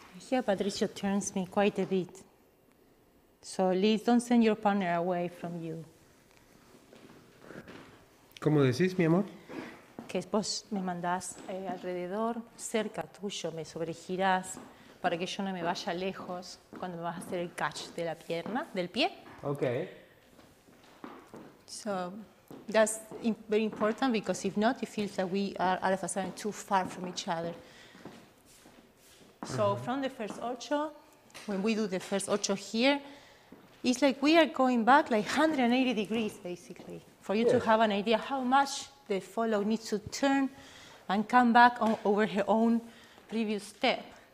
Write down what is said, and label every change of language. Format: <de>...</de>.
<en>Yeah, Patricio turns me quite a bit. So please don't send your partner away from you.</en> <es>¿Cómo decís, mi amor? Que vos me mandás alrededor, cerca tuyo, me sobregirás para que yo no me vaya lejos cuando me vas a hacer el catch de la pierna, del pie.</es> <en>Okay. So that's very important because if not, it feels that we are all of a sudden too far from each other. So from the first ocho, when we do the first ocho here, it's like we are going back like 180 degrees, basically, for you to have an idea how much the follow needs to turn and come back over her own previous step.</en>